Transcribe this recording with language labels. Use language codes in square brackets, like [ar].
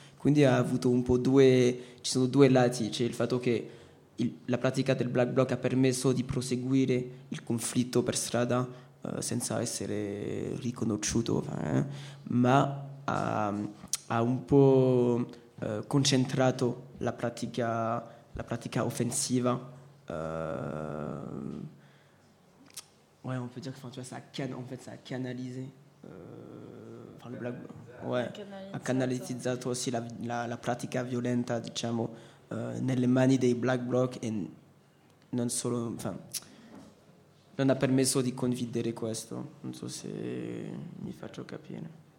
[it] Quindi ha avuto un po' ci sono due lati, cioè il fatto che la pratica del Black Bloc ha permesso di proseguire il conflitto per strada senza essere riconosciuto, ma ha un po' concentrato la pratica la pratica offensiva. [fr] Ouais, on peut dire que enfin, tu vois, ça a ça a canalisé. Enfin, le black, ouais, [it] ha canalizzato aussi la pratica violenta, diciamo, nelle mani dei black bloc, e non solo, enfin, non ha permesso di condividere questo. Non so se mi faccio capire.